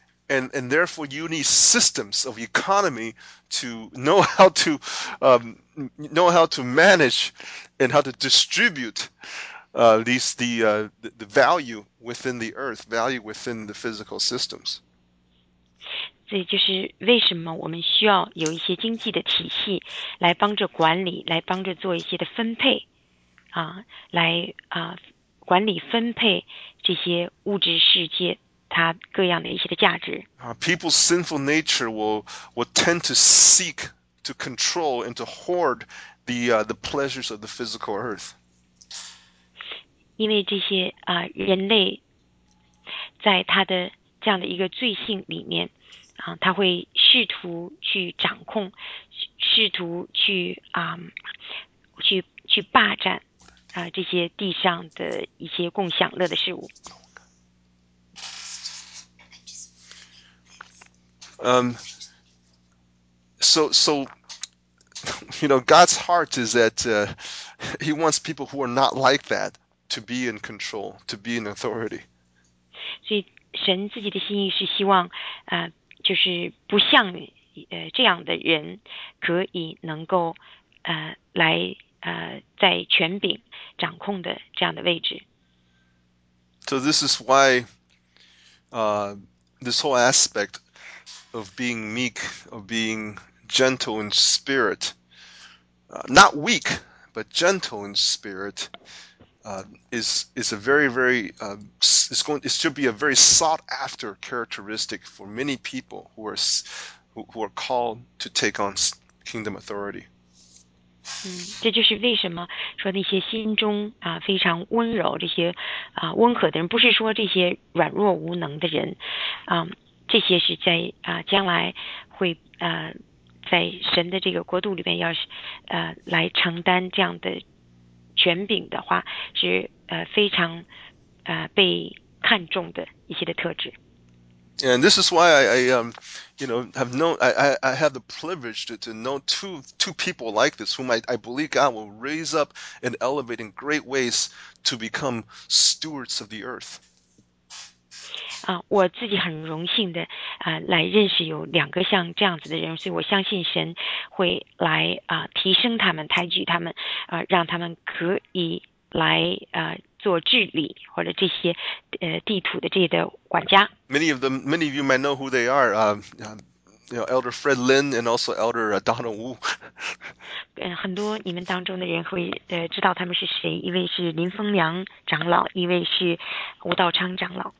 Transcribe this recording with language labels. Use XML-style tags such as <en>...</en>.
<en>And therefore you need systems of economy to know how to manage and how to distribute the value within the earth, value within the physical systems.</en> <zh>这就是为什么我们需要有一些经济的体系来帮着管理，来帮着做一些的分配啊，来啊管理分配这些物质世界它各样的一些的价值。</zh> <en>People's sinful nature will tend to seek to control and to hoard the pleasures of the physical earth.</en> <zh>因为这些人类在他的这样的一个罪性里面啊，他会试图去掌控，试图去去霸占这些地上的一些共享乐的事物。</zh> <en>So you know, God's heart is that he wants people who are not like that to be in control, to be in authority.</en> <zh>所以神自己的心意是希望就是不像这样的人可以能够来在权柄掌控的这样的位置。</zh> <en>So this is why this whole aspect of being meek, of being gentle in spirit, not weak, but gentle in spirit, is a very, very, it's going, it should be a very sought after characteristic for many people who are called to take on kingdom authority.</en> <zh>这就是为什么说那些心中非常温柔，这些温和的人，不是说这些软弱无能的人，这些是在将来会在神的这个国度里面要来承担这样的权柄的话，是非常被看重的一些的特质。</zh> <en>And this is why I have the privilege to know two people like this, whom I believe God will raise up and elevate in great ways to become stewards of the earth.</en> <zh>我自己很荣幸的来认识有两个像这样子的人，所以我相信神会来提升他们，抬举他们，让他们可以来做治理或者这些地土的这些的管家。</zh> <en>Many of you might know who they are. You know, Elder Fred Lin and also Elder Donald Wu.</en> <zh>很多你们当中的人会知道他们是谁，一位是林峰良长老，一位是吴道昌长老。</zh>